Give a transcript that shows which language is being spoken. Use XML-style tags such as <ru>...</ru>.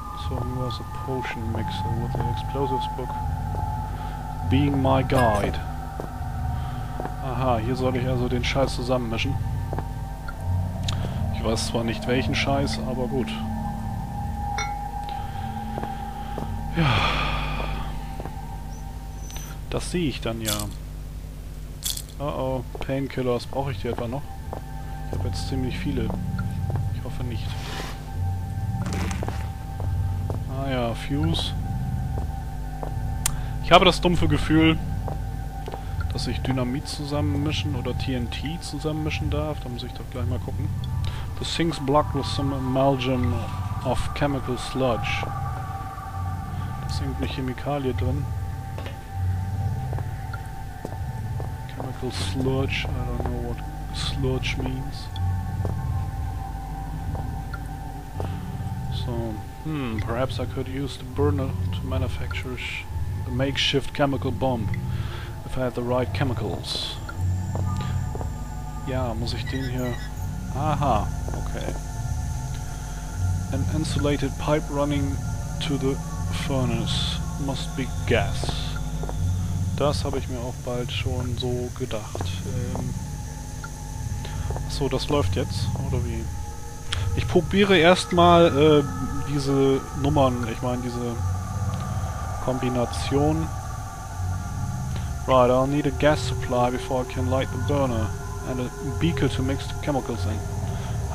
<en>So, he was a potion mixer with the explosives book. Being my guide.</en> <de>Aha, hier soll ich also den Scheiß zusammenmischen. Ich weiß zwar nicht welchen Scheiß, aber gut. Ja. Das sehe ich dann ja. Oh oh, Painkillers, brauche ich die etwa noch? Ich habe jetzt ziemlich viele. Ich hoffe nicht. Ah ja, Fuse. Ich habe das dumpfe Gefühl, dass ich Dynamit zusammenmischen oder TNT zusammenmischen darf. Da muss ich doch gleich mal gucken.</de> <en>The sinks blocked with some amalgam of chemical sludge.</en> <de>Da ist irgendeine Chemikalie drin.</de> <en>Chemical sludge, I don't know what sludge means. So, perhaps I could use the burner to manufacture a makeshift chemical bomb. If I had the right chemicals.</en> <de>Ja, muss ich den hier...</de> <en>Aha, okay. An insulated pipe running to the furnace must be gas.</en> <de>Das habe ich mir auch bald schon so gedacht. Achso, das läuft jetzt, oder wie? Ich probiere erstmal diese Nummern, ich meine diese Kombination.</de> <en>Right, I'll need a gas supply before I can light the burner. And a beaker to mix the chemicals in.</en>